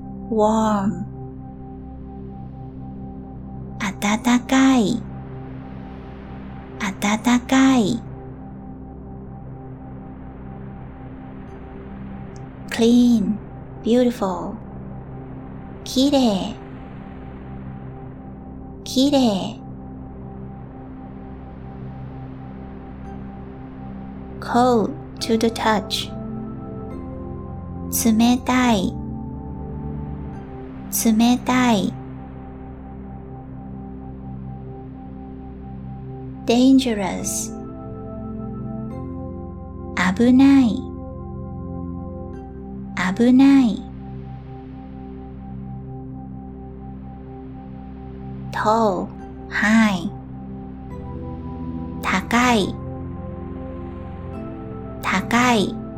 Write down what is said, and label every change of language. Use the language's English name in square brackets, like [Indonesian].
[English] warm. [Japanese] 暖かい暖かい [English] Clean, beautiful. [Japanese] きれいきれい [English] Cold to the touch. [Japanese] 冷たい冷たいDangerous 危ない危ない [English] Tall, high [Japanese] 高い高い